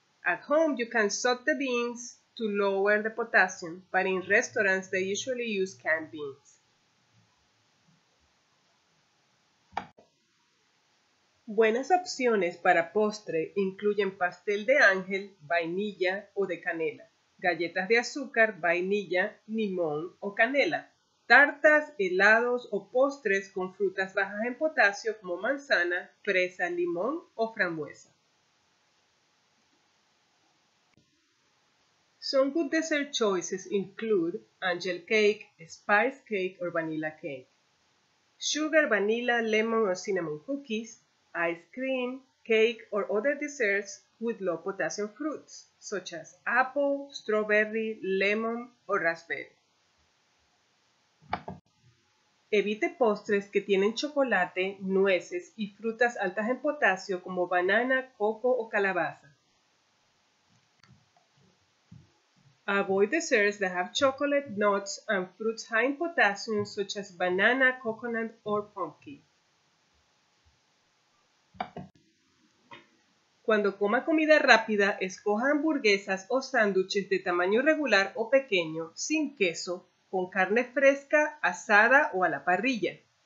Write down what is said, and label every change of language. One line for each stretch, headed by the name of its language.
English: At home, you can soak the beans to lower the potassium, but in restaurants, they usually use canned beans.
Spanish: Buenas opciones para postre incluyen pastel de ángel, vainilla o de canela, galletas de azúcar, vainilla, limón o canela, tartas, helados o postres con frutas bajas en potasio como manzana, fresa, limón o frambuesa.
English: Some good dessert choices include angel cake, spice cake or vanilla cake, sugar, vanilla, lemon or cinnamon cookies, ice cream, cake or other desserts with low potassium fruits, such as apple, strawberry, lemon or raspberry.
Spanish: Evite postres que tienen chocolate, nueces y frutas altas en potasio como banana, coco o calabaza.
English: Avoid desserts that have chocolate, nuts and fruits high in potassium such as banana, coconut or pumpkin.
Spanish: Cuando coma comida rápida, escoja hamburguesas o sándwiches de tamaño regular o pequeño, sin queso, con carne fresca, asada o a la parrilla.